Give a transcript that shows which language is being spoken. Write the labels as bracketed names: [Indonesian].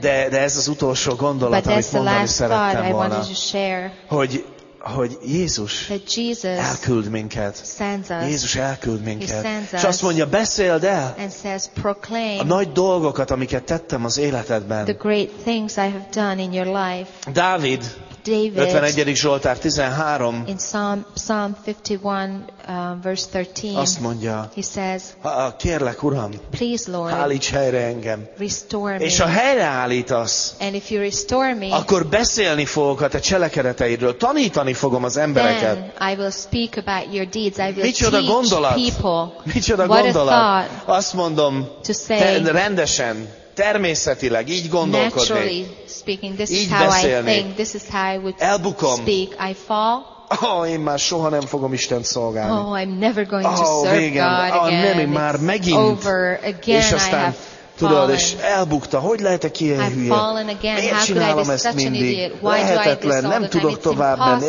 [Hungarian] De ez az utolsó gondolat, [English] but [Hungarian] amit mondani szerettem volna. [English] Share, [Hungarian] hogy Jézus elküld minket. [English] Sends us. [Hungarian] Jézus elküld minket. [English] He sends us. [Hungarian] És azt mondja, beszéld el [English] and says, proclaim [Hungarian] a nagy dolgokat, amiket tettem az életedben. [English] The great things I have done in your life. [Hungarian] Dávid. [English] David, [Hungarian] 51. Zsoltár 13. [English] In Psalm 51, verse 13. [Hungarian] Azt mondja. [English] He says. [Hungarian] Kérlek, Uram. [English] Please, Lord. [Hungarian] Állíts helyre engem. [English] Restore me. [Hungarian] És ha helyreállítasz. [English] And if you restore me. [Hungarian] Akkor beszélni fogok a te cselekedeteidről. Tanítani fogom az embereket. [English] Then I will speak about your deeds. I will [Hungarian] micsoda [English] teach [Hungarian] gondolat? [English] People. [Hungarian] Micsoda [English] what [Hungarian] gondolat? [English] A thought. [Hungarian] Azt mondom. [English] To say. [Hungarian] Rendesen. Természetileg így gondolkodni. Így beszélni. Elbukom. [English] Speak. I fall. [Hungarian] Oh, én már soha nem fogom Istent szolgálni. [English] Oh, I'm never going to serve God again. [Hungarian] Nem, én már megint. [English] Over again. [Hungarian] És aztán, tudod, és elbukta. Hogy lehetek ilyen hülye? Miért csinálom ezt mindig? Lehetetlen, nem tudok tovább menni.